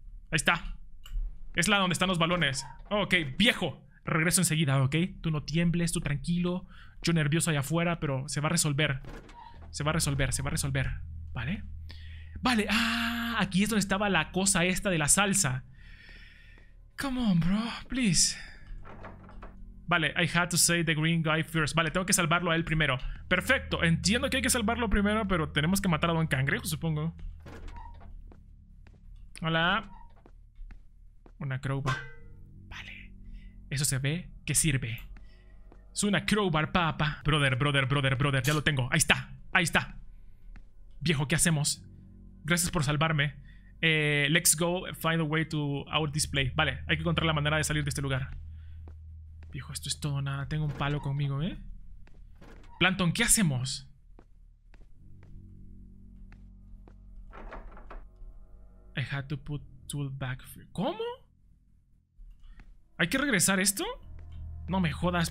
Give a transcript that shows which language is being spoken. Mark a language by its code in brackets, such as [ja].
[es] Ahí está. Es la donde están los balones. Ok, viejo. Regreso enseguida, ok. Tú no tiembles, tú tranquilo. Yo nervioso allá afuera, pero se va a resolver. Se va a resolver, se va a resolver. ¿Vale? Vale, aquí es donde estaba la cosa esta de la salsa. [en] Come on, bro, please. Vale, I had to save the green guy first. [es] Vale, tengo que salvarlo a él primero. Perfecto, entiendo que hay que salvarlo primero, pero tenemos que matar a Don Cangrejo, supongo. Hola. Una crowbar. Vale, eso se ve que sirve. Es una crowbar, papa. Brother, brother, brother, brother, ya lo tengo. Ahí está, ahí está. Viejo, ¿qué hacemos? Gracias por salvarme. [en] Let's go find a way to our display. [es] Vale, hay que encontrar la manera de salir de este lugar. Viejo, esto es todo nada. Tengo un palo conmigo, ¿eh? Plankton, ¿qué hacemos? [en] I had to put tool back. [es] ¿Cómo? ¿Hay que regresar esto? No me jodas.